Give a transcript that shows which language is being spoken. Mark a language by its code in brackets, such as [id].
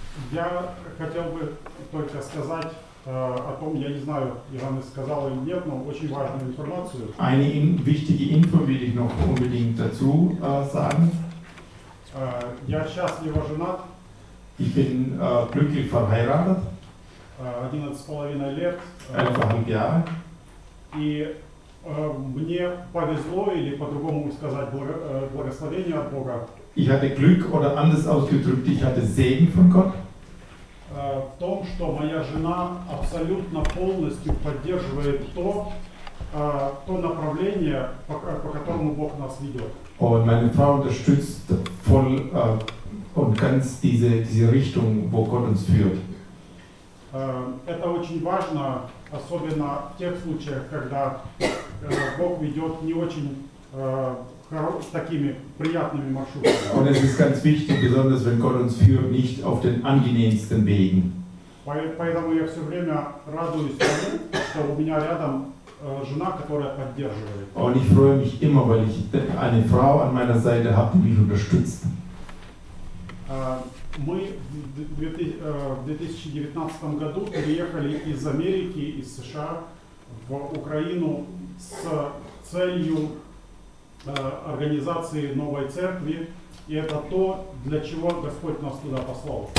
[ru] Я хотел бы только сказать о том, я не знаю, Иоанн сказал или нет, но очень важную информацию. [de] Eine wichtige Info will ich noch unbedingt dazu sagen. [ru] Я счастливо женат. [de] Ich bin glücklich verheiratet. [ru] 11,5 лет. [de] Einfachen Jahr. [ru] И мне повезло, или по-другому сказать, благословение от Бога. [de] Ich hatte Glück, oder anders ausgedrückt, ich hatte Segen von Gott. [ru] В том, что моя жена абсолютно полностью поддерживает то, то направление, по которому Бог нас ведет. [de] Und meine Frau unterstützt voll und ganz diese Richtung, wo Gott uns führt. [ru] Это очень важно, особенно в тех случаях, когда Бог ведет не очень такими приятными маршрутами. [de] Und es ist ganz wichtig, besonders wenn Gott uns führt, nicht auf den angenehmsten Wegen. [ru] Поэтому я все время радуюсь тому, что у меня рядом жена, которая поддерживает. [de] Und ich freue mich immer, weil ich eine Frau an meiner Seite habe, die mich unterstützt. [ru] Мы в 2019 году переехали из Америки, из США, в Украину с целью организации новой церкви. И это то, для чего Господь нас туда послал.